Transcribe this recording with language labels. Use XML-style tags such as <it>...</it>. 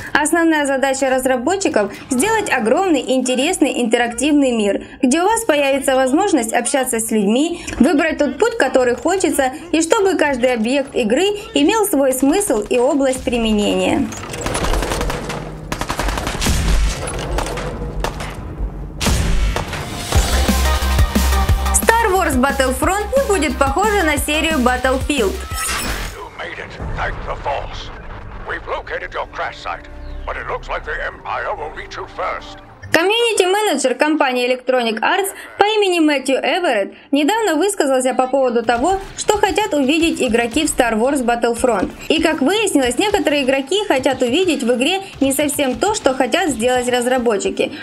<ru>Основная задача разработчиков – сделать огромный, интересный, интерактивный мир, где у вас появится возможность общаться с людьми, выбрать тот путь, который хочет, и чтобы каждый объект игры имел свой смысл и область применения. Star Wars Battlefront не будет похоже на серию Battlefield.</ru> <en>You made it, thank the Force. We've located your crash site, but it looks like the Empire will meet you first.</en> <ru>Комьюнити-менеджер компании Electronic Arts по имени Мэттью Эверетт недавно высказался по поводу того, что хотят увидеть игроки в Star Wars Battlefront. И как выяснилось, некоторые игроки хотят увидеть в игре не совсем то, что хотят сделать разработчики.</ru>